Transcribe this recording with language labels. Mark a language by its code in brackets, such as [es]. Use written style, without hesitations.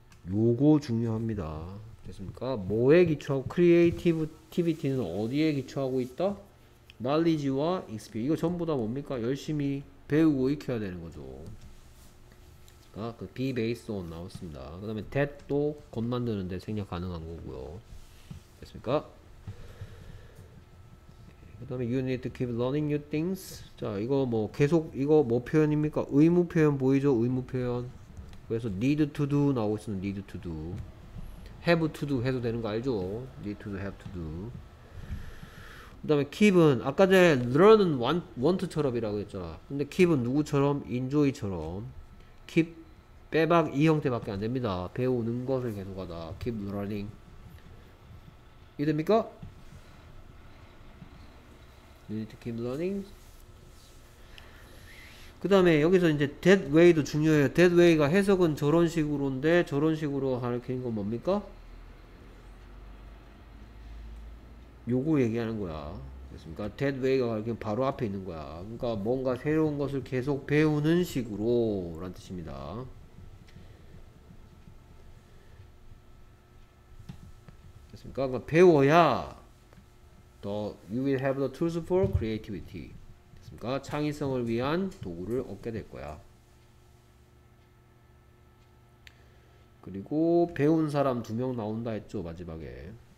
[ko] 요거 중요합니다. 됐습니까? 뭐에 기초하고 creativity는 어디에 기초하고 있다? knowledge와 experience 이거 전부 다 뭡니까? 열심히 배우고 익혀야 되는 거죠. 아, 그 be based on 나왔습니다. 그 다음에 that도 겉 만드는데 생략 가능한 거고요. 됐습니까? 그 다음에 [en] you need to keep learning new things. [ko] 자, 이거 뭐 계속 이거 뭐 표현입니까? 의무 표현 보이죠? 의무 표현. 그래서 need to do 나오고 있으면 need to do. have to do 해도 되는 거 알죠? need to do, have to do. 그 다음에 keep은 아까 전에 learn은 want처럼이라고 했잖아. 근데 keep은 누구처럼? enjoy처럼. keep 빼박 이 형태밖에 안 됩니다. 배우는 것을 계속하다. keep learning. 이해됩니까? [en] You need to keep learning. [ko] 그 다음에 여기서 이제 that way도 중요해요. that way가 해석은 저런 식으로인데 저런 식으로 가르치는 건 뭡니까? 요거 얘기하는 거야. 됐습니까? that way가 그냥 바로 앞에 있는 거야. 그러니까 뭔가 새로운 것을 계속 배우는 식으로 라는 뜻입니다. 됐습니까? 그러니까 배워야 더 [en] you will have the tools for creativity. [ko] 됐습니까? 창의성을 위한 도구를 얻게 될 거야. 그리고 배운 사람 두명 나온다 했죠, 마지막에.